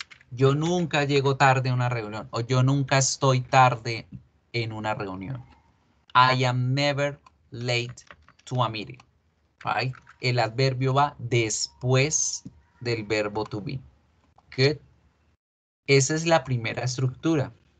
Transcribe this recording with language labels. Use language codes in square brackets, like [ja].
[es] Yo nunca llego tarde a una reunión o yo nunca estoy tarde en una reunión. [en] I am never late to a meeting. Right? [es] El adverbio va después del verbo to be. Good. Esa es la primera estructura.